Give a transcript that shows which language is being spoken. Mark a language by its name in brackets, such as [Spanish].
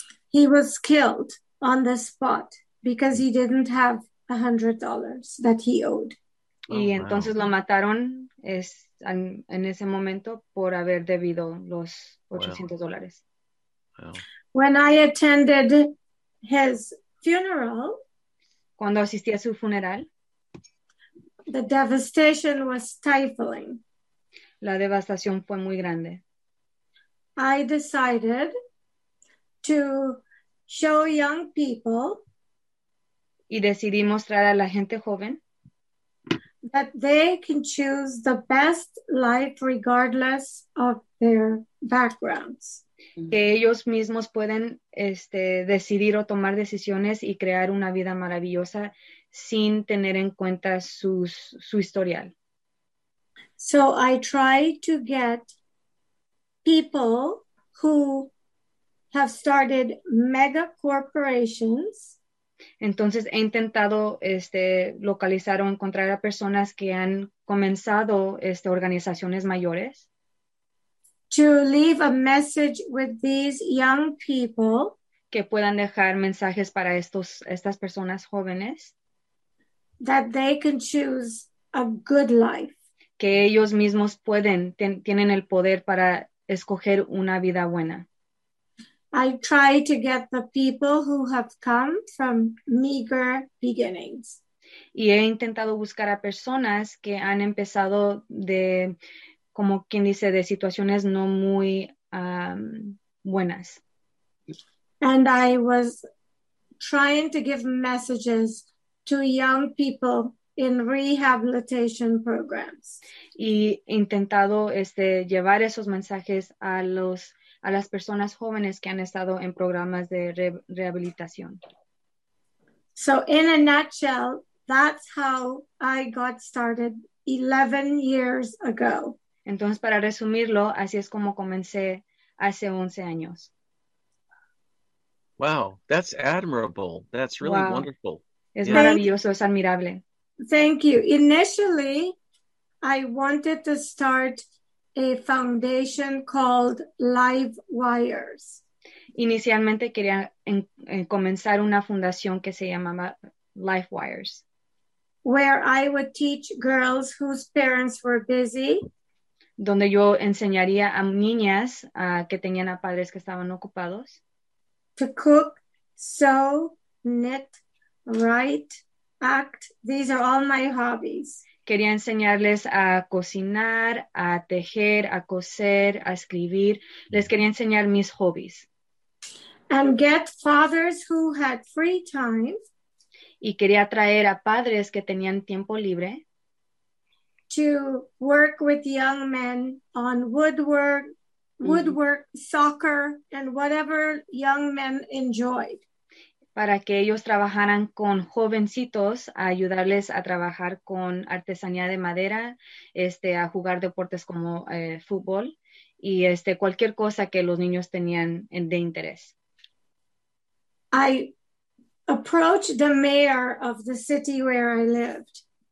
[English] He was killed on the spot because he didn't have $100 that he owed. [Spanish] Oh, y entonces wow. Lo mataron en ese momento por haber debido los $800. [English] When I attended his funeral, [Spanish] cuando asistí a su funeral, [English] the devastation was stifling. [Spanish] La devastación fue muy grande. [English] I decided to show young people, [Spanish] y decidí mostrar a la gente joven, [English] that they can choose the best life regardless of their backgrounds. [Spanish] Que ellos mismos pueden decidir o tomar decisiones y crear una vida maravillosa sin tener en cuenta su historial. [English] So I try to get people who have started mega corporations. [Spanish] Entonces he intentado localizar o encontrar a personas que han comenzado organizaciones mayores. [English] To leave a message with these young people. [Spanish] Que puedan dejar mensajes para estas personas jóvenes. [English] That they can choose a good life. [Spanish] Que ellos mismos pueden, tienen el poder para escoger una vida buena. [English] I try to get the people who have come from meager beginnings. [Spanish] y he intentado buscar a personas que han empezado de, como quien dice, de situaciones no muy buenas. [English] And I was trying to give messages to young people in rehabilitation programs. [Spanish] Y intentado llevar esos mensajes a los a las personas jóvenes que han estado en programas de rehabilitación. [English] So in a nutshell, that's how I got started 11 years ago. [Spanish] Entonces, para resumirlo, así es como comencé hace 11 años. [English] Wow, that's admirable. That's really wonderful. [Spanish] Es maravilloso, es admirable. [English] Thank you. Initially, I wanted to start a foundation called Live Wires. [Spanish] Inicialmente quería comenzar una fundación que se llamaba Live Wires. [English] Where I would teach girls whose parents were busy. [Spanish] Donde yo enseñaría a niñas que tenían a padres que estaban ocupados. [English] To cook, sew, knit, write, act. These are all my hobbies. [Spanish] Quería enseñarles a cocinar, a tejer, a coser, a escribir. Les quería enseñar mis hobbies. [English] And get fathers who had free time. [Spanish] Y quería traer a padres que tenían tiempo libre. [English] To work with young men on woodwork, soccer, and whatever young men enjoyed. [Spanish] Para que ellos trabajaran con jovencitos, a ayudarles a trabajar con artesanía de madera, a jugar deportes como fútbol, y cualquier cosa que los niños tenían de interés. [English] I approached the mayor of the city where I lived.